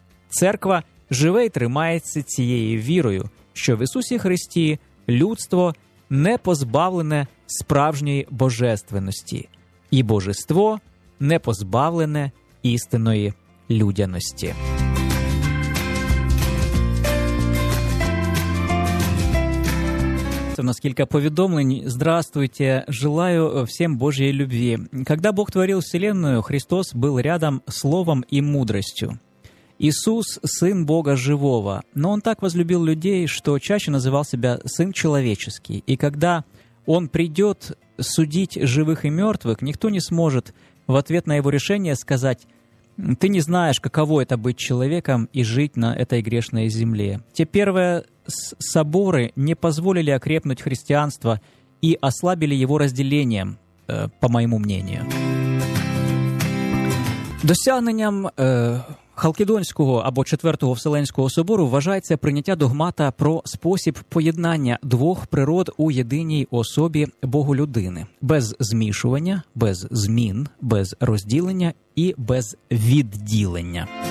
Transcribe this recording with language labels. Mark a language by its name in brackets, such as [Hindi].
[Ukrainian] Церква живе й тримається цією вірою, що в Ісусі Христі людство не позбавлене справжньої божественності, і божество не позбавлене істинної людяності. Це в нас кілька повідомлень. [Russian] Здравствуйте, желаю всім Божьей любви. Когда Бог творил вселенную, Христос был рядом словом и мудростью. Иисус – Сын Бога Живого, но Он так возлюбил людей, что чаще называл Себя Сын Человеческий. И когда Он придет судить живых и мертвых, никто не сможет в ответ на Его решение сказать: «Ты не знаешь, каково это быть человеком и жить на этой грешной земле». Те первые соборы не позволили окрепнуть христианство и ослабили его разделением, по моему мнению. [Ukrainian] Досягненням Халкідонського або Четвертого Вселенського собору вважається прийняття догмата про спосіб поєднання двох природ у єдиній особі Богу-людини. Без змішування, без змін, без розділення і без відділення.